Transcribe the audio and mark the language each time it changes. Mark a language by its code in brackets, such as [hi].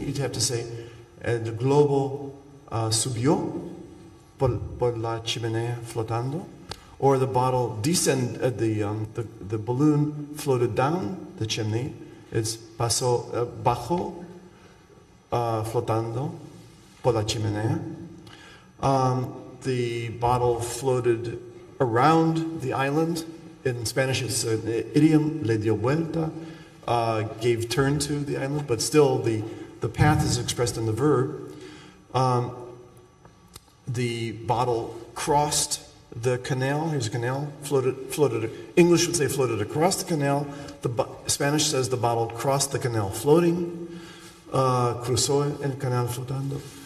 [en] You'd have to say, [es] el globo subió por la chimenea flotando. [en] Or the bottle descended, the balloon floated down the chimney. [es] It's paso bajo flotando por la chimenea. [en] The bottle floated around the island. In Spanish, it's an idiom, [es] le dio vuelta, [en] gave turn to the island, but still the path is expressed in the verb. The bottle crossed the canal, here's a canal, floated. English would say floated across the canal. Spanish says the bottle crossed the canal floating. [es] Cruzó el canal flotando.